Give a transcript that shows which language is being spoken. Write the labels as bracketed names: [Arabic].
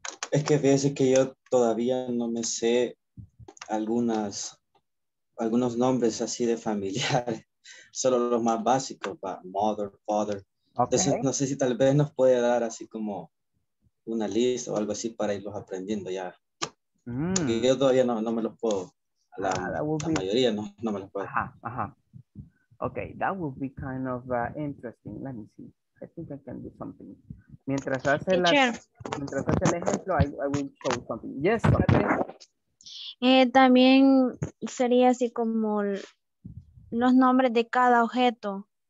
[Spanish] Es que fíjese que yo todavía no me sé algunos nombres así de familiares, solo los más básicos, [English] but mother, father. [Spanish] Okay. Entonces, no sé si tal vez nos puede dar así como una lista o algo así para irlos aprendiendo ya. Mm. Yo todavía no me los puedo, la mayoría no me los puedo. [English] Ajá, ajá. Okay, that would be kind of interesting. Let me see. I think I can do something. [Spanish] Mientras hace, mientras hace el ejemplo, [English] I will show something. Yes, okay. [Spanish] También sería así como los nombres de cada objeto.